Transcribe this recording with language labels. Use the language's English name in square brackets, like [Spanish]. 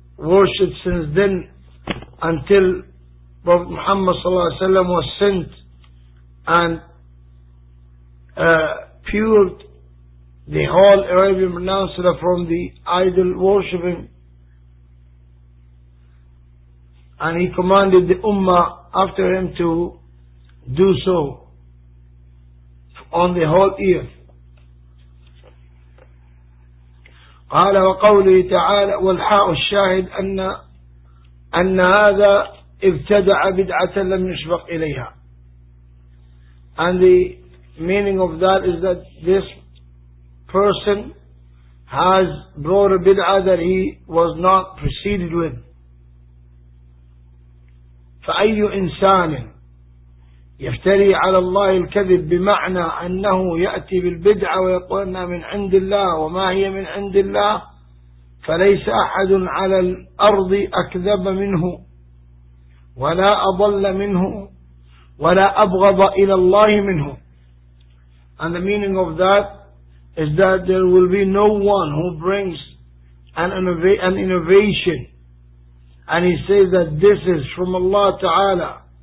[English] worshipped since then until Prophet Muhammad sallallahu alaihi wasallam was sent and purged the whole Arabian Peninsula from the idol worshipping. And he commanded the Ummah after him to do so on the whole earth. [Arabic] قال وقوله تعالى والحاء الشاهد أن هذا ابتدع بدعة لم يسبق إليها. [English] And the meaning of that is that this person has brought a bid'ah that he was not preceded with. [Arabic] فأي إنسان يفتري على الله الكذب بمعنى أنه يأتي بالبدعة ويقول أنها من عند الله وما هي من عند الله فليس أحد على الأرض أكذب منه ولا أضل منه ولا أبغض إلى الله منه. [English] And the meaning of that is that there will be no one who brings an innovation and he says that this is from Allah Ta'ala,